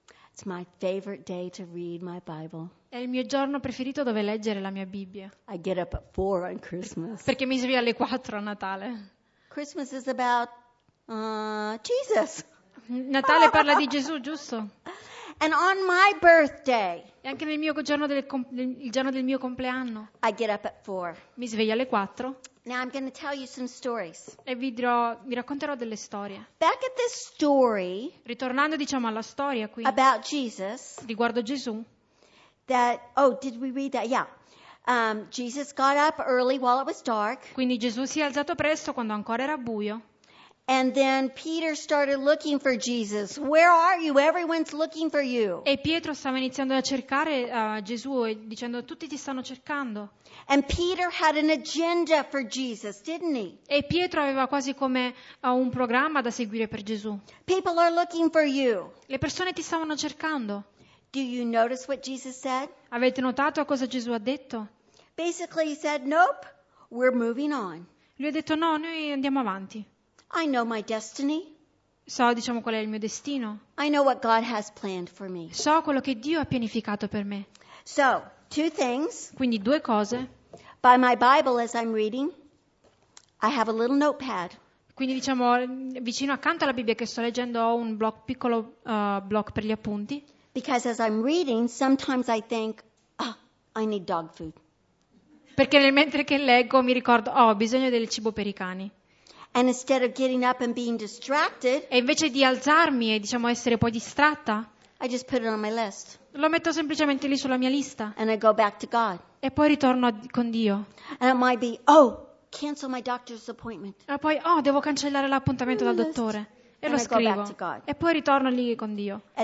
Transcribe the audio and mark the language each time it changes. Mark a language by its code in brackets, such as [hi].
[en] It's my favorite day to read my Bible. [it] È il mio giorno preferito dove leggere la mia Bibbia. [en] I get up at 4 on Christmas. [it] Perché mi sveglio alle 4 a Natale. [en] Christmas is about Jesus. [it] Natale parla di Gesù, giusto? [en] And on my birthday. [it] E anche nel mio giorno il giorno del mio compleanno. [en] I get up at 4. [it] Mi sveglio alle 4. [en] Now I'm going to tell you some stories. [it] E vi racconterò delle storie. [en] Back at this story. [it] Ritornando, diciamo, alla storia qui. [en] About Jesus. [it] Riguardo Gesù. [en] That did we read that? Yeah. Jesus got up early while it was dark. [it] Quindi Gesù si è alzato presto quando ancora era buio. [en] And then Peter started looking for Jesus. Where are you? Everyone's looking for you. [it] E Pietro stava iniziando a cercare Gesù e dicendo tutti ti stanno cercando. [en] And Peter had an agenda for Jesus, didn't he? [it] E Pietro aveva quasi come un programma da seguire per Gesù. [en] People are looking for you. [it] Le persone ti stavano cercando. [en] Do you notice what Jesus said? [it] Avete notato cosa Gesù ha detto? [en] Basically he said, nope, we're moving on. [it] Lui ha detto no, noi andiamo avanti. [en] I know my destiny. [it] So, diciamo, qual è il mio destino. [en] I know what God has planned for me. [it] So quello che Dio ha pianificato per me. [en] So, two things. [it] Quindi due cose. [en] By my Bible as I'm reading, I have a little notepad. [it] Quindi, diciamo, vicino accanto alla Bibbia che sto leggendo ho un piccolo blocco per gli appunti. [en] Because as I'm reading, sometimes I think, oh, I need dog food. [it] Perché nel mentre che leggo mi ricordo, oh, ho bisogno del cibo per i cani. [en] And instead of getting up and being distracted, [it] e invece di alzarmi e, diciamo, essere poi distratta, [en] I just put it on my list. [it] Lo metto semplicemente lì sulla mia lista. [en] And I go back to God. [it] E poi ritorno con Dio. [en] And it might be, oh, cancel my doctor's appointment. [it] E poi, oh, devo cancellare l'appuntamento dal dottore. E lo scrivo. E poi ritorno lì con Dio.